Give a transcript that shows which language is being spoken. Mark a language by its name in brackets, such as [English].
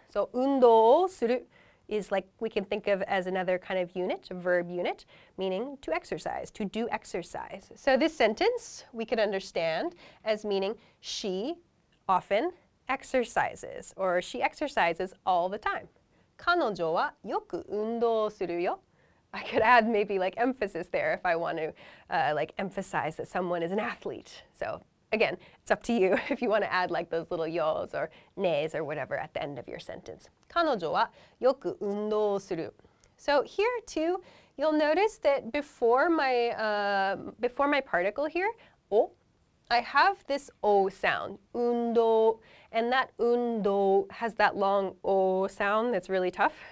[English] So 運動をする is like we can think of as another kind of unit, a verb unit, meaning to exercise, to do exercise. So this sentence we could understand as meaning she often exercises, or she exercises all the time. [Japanese] 彼女はよく運動するよ. [English] I could add maybe like emphasis there if I want to like emphasize that someone is an athlete. So again, it's up to you if you want to add like those little yos or nes or whatever at the end of your sentence. [Japanese] 彼女はよく運動する. [English] So here too, you'll notice that before my particle here, o, I have this o sound, 運動, and that 運動 has that long o sound that's really tough.